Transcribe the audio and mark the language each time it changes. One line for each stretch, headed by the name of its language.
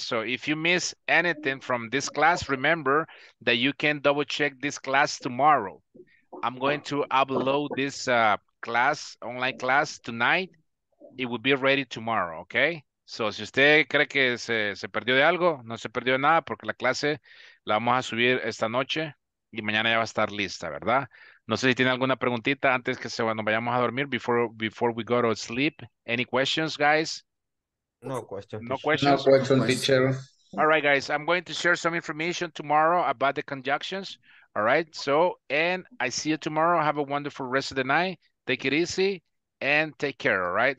English: So if you miss anything from this class, remember that you can double check this class tomorrow. I'm going to upload this online class tonight, it will be ready tomorrow, okay?
Spanish: So, si usted cree que se perdió de algo, no se perdió de nada, porque la clase la vamos a subir esta noche y mañana ya va a estar lista, ¿verdad? No sé si tiene alguna preguntita antes que nos vayamos a dormir, before we go to sleep.
English: Any questions, guys? No questions. No questions. No questions, teacher. All right, guys, I'm going to share some information tomorrow about the conjunctions. All right, so, and I see you tomorrow. Have a wonderful rest of the night. Take it easy and take care, all right?